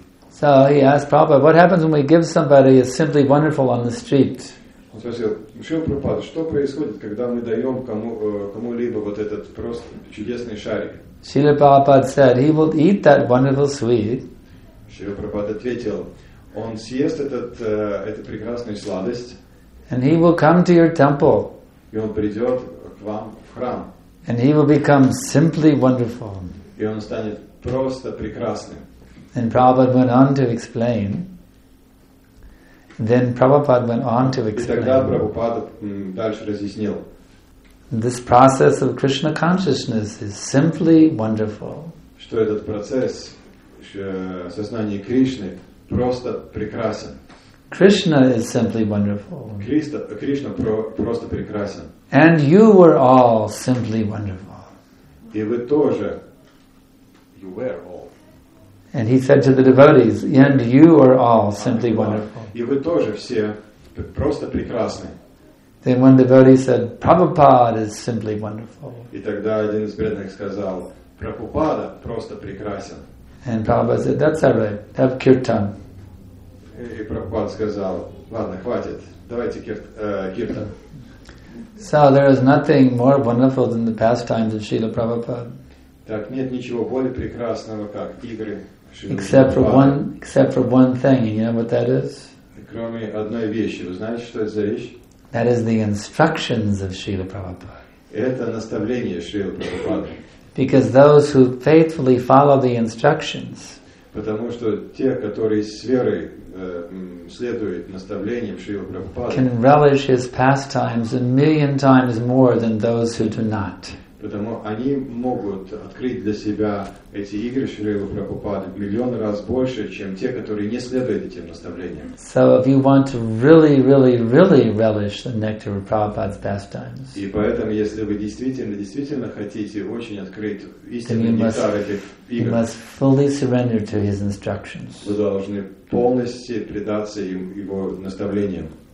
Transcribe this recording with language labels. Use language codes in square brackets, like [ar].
[en] So he asked Prabhupada, what happens when we give somebody a simply wonderful on the street? [ru] Он спросил, Шрила Прабхупада, что происходит, когда мы даем кому-либо вот этот просто чудесный шарик? [en] Шрила Прабхупада said, he will eat that wonderful sweet. [ru] Шрила Прабхупада ответил, он съест эту прекрасную сладость. [en] And he will come to your temple. [ru] И он придет к вам в храм. [en] And he will become simply wonderful. [ru] И он станет просто прекрасным. [en] And Prabhupada went on to explain. Then Prabhupada went on to explain. This process of Krishna consciousness is simply wonderful. [ru] Что этот процесс сознания Кришны просто прекрасен. [en] Krishna is simply wonderful. [ru] Кришна просто прекрасен. [en] And you were all simply wonderful. [ru] И вы тоже. [en] You were all. And he said to the devotees, and you are all simply wonderful. [ru] И вы тоже все просто прекрасны. [en] Then one devotee said, Prabhupada is simply wonderful. [ru] И тогда один из преданных сказал, Прабхупада просто прекрасен. [en] And Prabhupada said, that's all right, have kirtan. [ru] И Прабхупада сказал, ладно, хватит, давайте киртан. [en] So there is nothing more wonderful than the pastimes of Srila Prabhupada. [ru] Так нет ничего более прекрасного, как игры. [en] Except for one thing, and you know what that is? [ru] Кроме одной вещи, вы знаете, что это за вещь? [en] That is the instructions of Srila Prabhupada. [ru] Это наставление Шрилы Прабхупады. [en] Because those who faithfully follow the instructions. [ru] Потому что те, которые с верой следуют наставлениям Шрилы Прабхупады. [en] Can relish his pastimes a million times more than those who do not. [ru] Потому они могут открыть для себя эти игры Шрилы Прабхупады миллион раз больше, чем те, которые не следуют этим наставлениям. [en] So if you want to really, really, really relish the nectar of Prabhupada's pastimes. [ru] И поэтому, если вы действительно, действительно хотите очень открыть истинный нектар этих игр, [en] you must fully surrender to his instructions. [ru] Вы должны полностью предаться его наставлениям.